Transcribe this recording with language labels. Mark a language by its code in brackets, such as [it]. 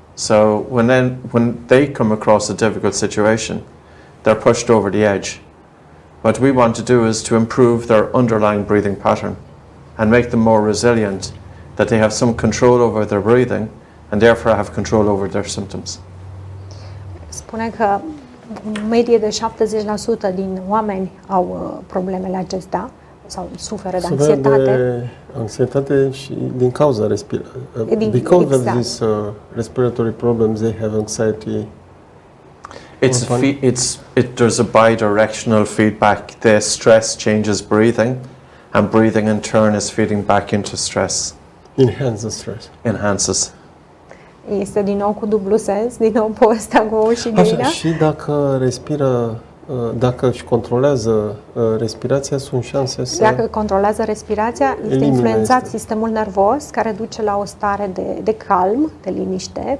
[en] So when they come across a difficult situation, they're pushed over the edge. What we want to do is to improve their underlying breathing pattern and make them more resilient, that they have some control over their breathing and therefore have control over their symptoms. [ro] Spune că medie de 70% din oameni au problemele acestea sau suferă de anxietate. Suferă de anxietate și din cauza respiratorii. [en] Of these respiratory problems, they have anxiety. There's a bidirectional feedback. The stress changes breathing, and breathing in turn is feeding back into stress. Enhances stress. Enhances. [ro] Este din nou cu dublu sens, din nou povestea cu ou și găina. Și dacă respiră, dacă își controlează respirația, sunt șanse să... Dacă controlează respirația, este influențat sistemul nervos, care duce la o stare de calm, de liniște.